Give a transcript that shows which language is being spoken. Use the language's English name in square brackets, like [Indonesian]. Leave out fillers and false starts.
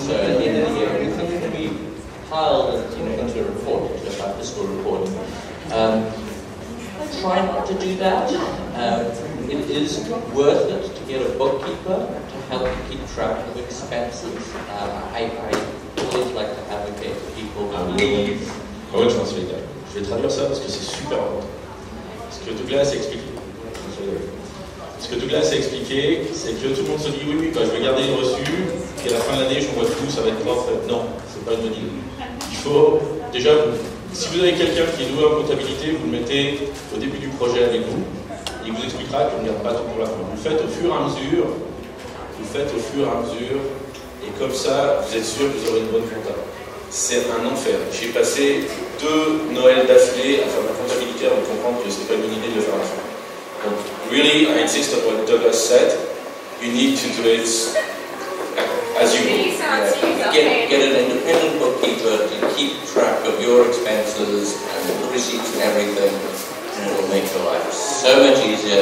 [English] So at the end of the year, everything can be piled into a report, into a fiscal report. Try not to do that. It is worth it to get a bookkeeper to help you keep track of expenses. I always like to advocate for people to leave. I will translate that. [French] Je vais traduire ça parce que c'est super important. Ce que Douglas a expliqué. Ce que Douglas a expliqué, c'est que tout le monde se dit oui, bah, je vais garder une reçue, et à la fin de l'année, j'envoie tout, ça va être propre. Non, c'est pas une bonne idée. Il faut, déjà, si vous avez quelqu'un qui est doué en comptabilité, vous le mettez au début du projet avec vous, et il vous expliquera qu'on ne garde pas tout pour la fin. Vous le faites au fur et à mesure, vous le faites au fur et à mesure, et comme ça, vous êtes sûr que vous aurez une bonne comptabilité. C'est un enfer. J'ai passé deux Noëls d'affilée à faire ma comptabilité avant de comprendre que ce n'était pas une bonne idée de le faire à la fin. [English] Donc, really, I insist on what Douglas said. You need to do it as you go. Get an independent bookkeeper to keep track of your expenses and the receipts and everything, and it will make your life so much easier.